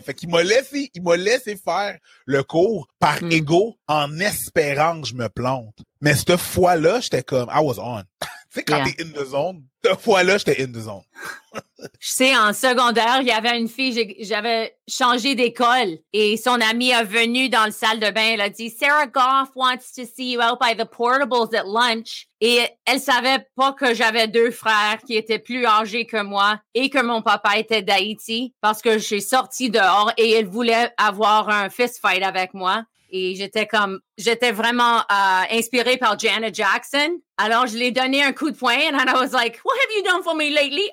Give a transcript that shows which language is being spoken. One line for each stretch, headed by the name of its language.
French: Fait qu'il m'a laissé, faire le cours par égo en espérant que je me plante. Mais cette fois-là, j'étais comme,
English: I was on.
French: Tu sais, quand t'es
English: in the zone,
French: cette fois-là, j'étais in the zone. Je sais, en secondaire, il y avait une fille, j'avais changé d'école et son amie est venue dans la salle de bain.
English: Elle a dit, Sarah Goff wants to see you out by the portables at lunch.
French: Et elle savait pas que j'avais deux frères qui étaient plus âgés que moi et que mon papa était d'Haïti parce que j'ai sorti dehors et elle voulait avoir un fist fight avec moi. Et j'étais vraiment inspirée par Janet Jackson. Alors, je lui ai donné un coup de poing
English: and I was like, what have you done for me lately?